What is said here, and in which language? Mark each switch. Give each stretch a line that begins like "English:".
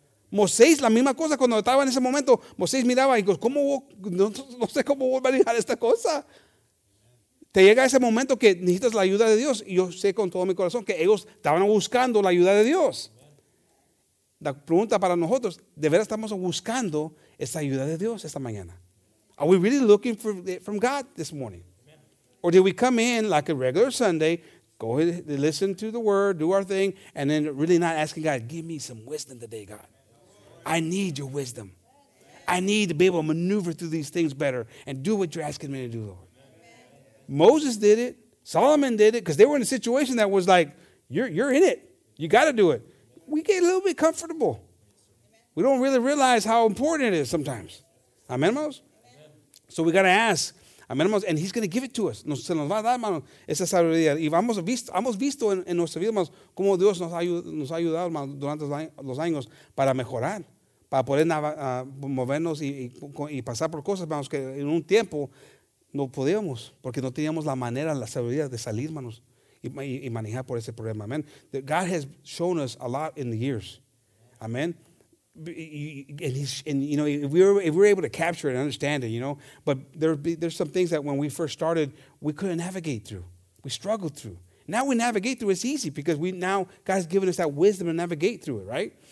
Spanish: Moisés, la misma cosa, cuando estaba en ese momento, Moisés miraba y dijo, ¿cómo no sé cómo voy a manejar esta cosa? Te llega ese momento que necesitas la ayuda de Dios. Y yo sé con todo mi corazón que ellos estaban buscando la ayuda de Dios. La pregunta para nosotros, ¿de verdad estamos buscando esa ayuda de Dios esta mañana?
English: Are we really looking for it from God this morning? Or did we come in like a regular Sunday, go ahead and listen to the word, do our thing, and then really not asking God, give me some wisdom today, God. I need your wisdom. I need to be able to maneuver through these things better and do what you're asking me to do, Lord. Moses did it. Solomon did it because they were in a situation that was like, you're in it. You got to do it. We get a little bit comfortable. We don't really realize how important it is sometimes. Amen, hermanos? So we got to ask. Amén, hermanos, and he's going to give it to us.
Spanish: Nos se nos va a dar, hermanos, esa sabiduría. Y hemos visto en nuestra vida, hermanos, cómo Dios nos ha ayudado, hermanos, durante los años para mejorar, para poder movernos y pasar por cosas, hermanos, que en un tiempo no podíamos, porque no teníamos la manera, la sabiduría de salir, hermanos, y manejar por ese problema. Amén.
English: God has shown us a lot in the years. Amén. And if we were able to capture it and understand it, you know, but there's some things that when we first started, we couldn't navigate through. We struggled through. Now we navigate through. It's easy because God has given us that wisdom to navigate through it, right?